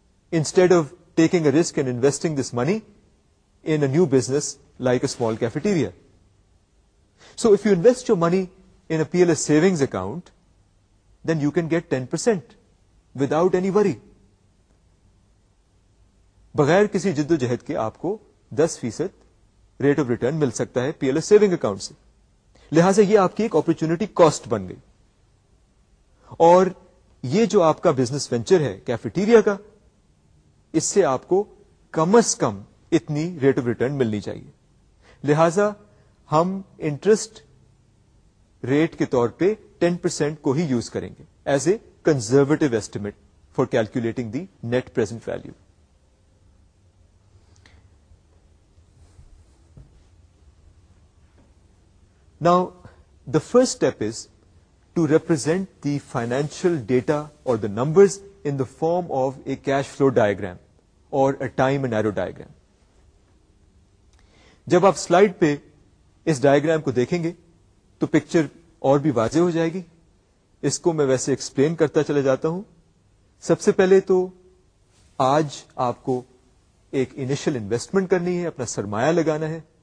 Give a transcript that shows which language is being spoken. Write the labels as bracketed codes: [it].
[en] Instead of taking a risk and investing this money in a new business like a small cafeteria. So if you invest your money in a PLS savings account, then you can get 10% without any worry. [ur] بغیر کسی جد و جہد کے آپ کو 10% rate of return مل سکتا ہے P L S saving account سے. لہذا یہ آپ کی ایک اپرچونٹی کاسٹ بن گئی, اور یہ جو آپ کا بزنس وینچر ہے کیفیٹیریا کا, اس سے آپ کو کم از کم اتنی ریٹ آف ریٹرن ملنی چاہیے. لہذا ہم انٹرسٹ ریٹ کے طور پہ 10% کو ہی یوز کریں گے [en] As a conservative estimate for calculating the net present value. Now, the first step is to represent the financial data or the numbers in the form of a cash flow diagram or a time and arrow diagram. [ur] جب آپ slide پہ اس diagram کو دیکھیں گے تو picture اور بھی واضح ہو جائے گی. اس کو میں ویسے ایکسپلین کرتا چلا جاتا ہوں. سب سے پہلے تو آج آپ کو ایک انیشل انویسٹمنٹ کرنی ہے, اپنا سرمایہ لگانا ہے.